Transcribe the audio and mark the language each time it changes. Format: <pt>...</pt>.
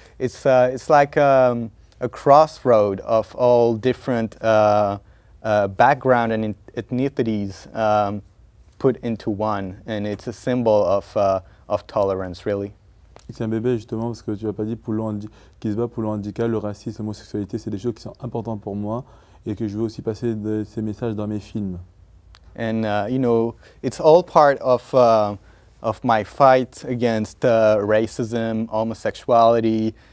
<en>It's like a crossroad of all different background and ethnicities put into one, and it's a symbol of tolerance, really.</en> <fr>C'est un bébé justement parce que tu as pas dit qui se bat pour le handicap, le racisme, l'homosexualité, c'est des choses qui sont importantes pour moi et que je veux aussi passer de ces messages dans mes films.</fr> <en>And you know, it's all part of my fight against racism, homosexuality.</en>